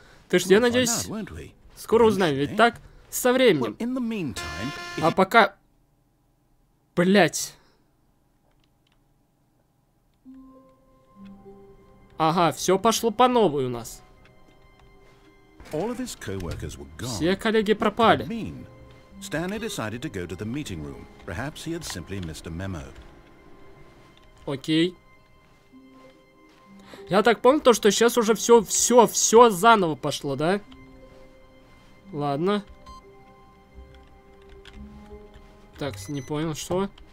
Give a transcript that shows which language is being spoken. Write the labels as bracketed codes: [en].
[ru] Ты ж, я надеюсь... Скоро узнаем, ведь так? Со временем. А пока... Блять. Ага, все пошло по новой у нас. Все коллеги пропали. [en] Stanley decided to go to the meeting room. Perhaps he had simply missed a memo. [ru] Окей. Я так понял, то, что сейчас уже все заново пошло, да? Ладно. Так, не понял, что?